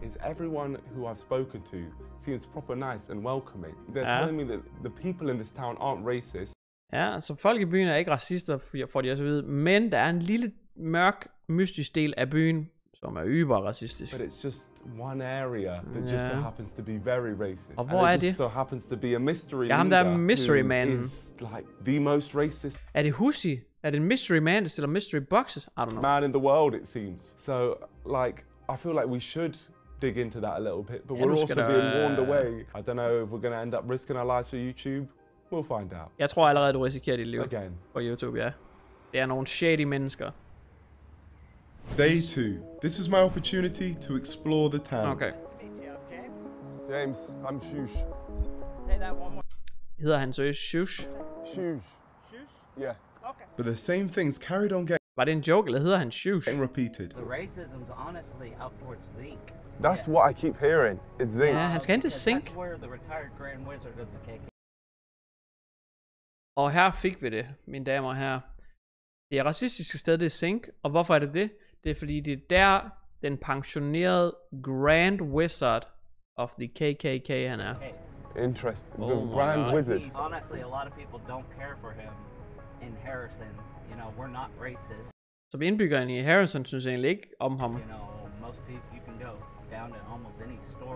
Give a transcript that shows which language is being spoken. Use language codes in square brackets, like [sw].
[en] Is everyone who I've spoken to seems proper nice and welcoming. They're telling me that the people in this town aren't racist. [da] Ja, så folk i byen er ikke racister, får de også at vide, men der er en lille mørk mystisk del af byen, som er über racistisk. [en] But it's just one area that just so happens to be very racist. [da] Og hvor er det? [en] So happens to be a mystery. [da] Ja, ham der er mystery man. [en] Is like the most racist. [da] Er det Hussie? Er det en mystery man, der stiller mystery boxes? [en] I don't know. Man in the world, it seems. So, like, I feel like we should dig into that a little bit, but we're also being warned away. I don't know if we're gonna end up risking our lives for YouTube. We'll find out. [da] Jeg tror allerede, du risikerer dit liv again på YouTube, ja. Det er nogle shady mennesker. [en] Day 2. This is my opportunity to explore the town. Okay. James, I'm Shush. Say that one more. [da] Hedder han seriøst Shush? [en] Shush. Shush? Yeah. Okay. But the same things carried on getting... [da] Var det en joke, eller hedder han Shush? [en] ...and repeated. The racism's honestly up towards Zeke. That's what I keep hearing. It's Zeke. [da] Ja, han skal hen til Zink. [en] That's where the retired Grand Wizard of the KK. [da] Og her fik vi det, mine damer og herrer. Det er racistiske sted, det er Zink. Og hvorfor er det det? Det er fordi, det er der, den pensionerede Grand Wizard of the KKK, han er. [en] Interesting. The Grand Wizard. Honestly, a lot of people don't care for him in Harrison. You know, we're not racist. [da] Så indbyggerne i Harrison synes egentlig ikke om ham. [en] You know, most people, you can go down to almost any store.